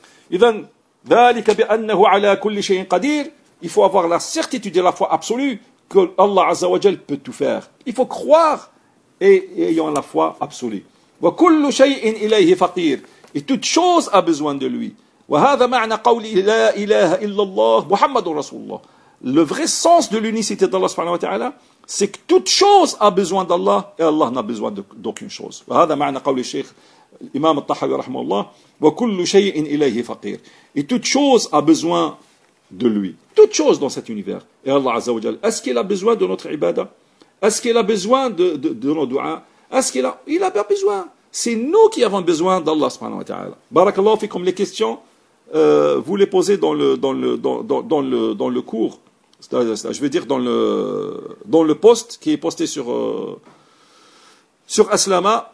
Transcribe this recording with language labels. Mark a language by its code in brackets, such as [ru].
[ar] Idhan dhalika bi annahu ala kulli shay'in qadir, [fr] il faut avoir la certitude et la foi absolue que Allah azza wa jal peut tout faire. Il faut croire et ayant la foi absolue. [ar] Wa kullu shay'in ilayhi faqir. [fr] Et toute chose a besoin de lui. [ar] وهذا معنى قولي لا إله إلا الله محمد رسول الله. [fr] Le vrai sens de l'unicité d'Allah subhanahu wa ta'ala, c'est que toute chose a besoin d'Allah et Allah n'a besoin d'aucune chose. [ar] وهذا معنى قول الشيخ الإمام الطحاوي رحمه الله وكل شيء إليه فقير. [fr] Et toute chose a besoin de lui. Toute chose dans cet univers. Et Allah [ar] عز وجل, [fr] est-ce qu'il a besoin de notre ibada? Est-ce qu'il a besoin de nos du'a? Est-ce qu'il a pas besoin? C'est nous qui avons besoin d'Allah subhanahu wa ta'ala. Barakallahu fikoum, les questions, vous les posez dans le cours, c'est-à-dire, je veux dire dans le poste qui est posté sur Aslama.